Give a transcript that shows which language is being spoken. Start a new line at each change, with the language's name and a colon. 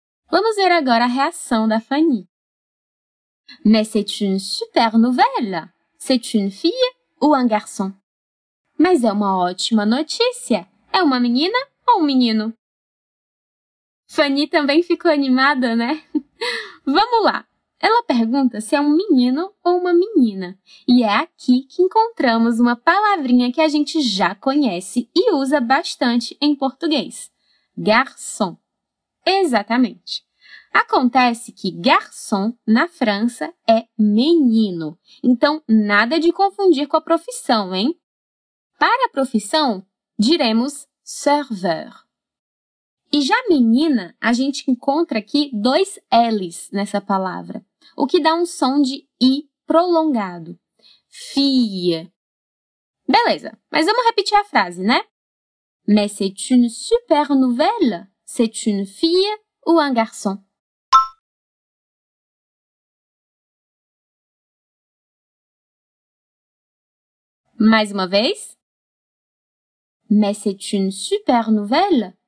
Portuguese: Vamos ver agora a reação da Fanny.
French: Mais c'est une super nouvelle! C'est une fille ou un garçon?
Portuguese: Mas é uma ótima notícia! É uma menina ou um menino? Fanny também ficou animada, né? Vamos lá! Ela pergunta se é um menino ou uma menina. E é aqui que encontramos uma palavrinha que a gente já conhece e usa bastante em português. Garçon. Exatamente. Acontece que garçon, na França, é menino. Então, nada de confundir com a profissão, hein? Para a profissão, diremos serveur. E já menina, a gente encontra aqui dois L's nessa palavra, o que dá um som de I prolongado. Fille. Beleza, mas vamos repetir a frase, né?
French: Mais c'est une super nouvelle? C'est une fille ou un garçon? Mais une fois? Mais c'est une super nouvelle?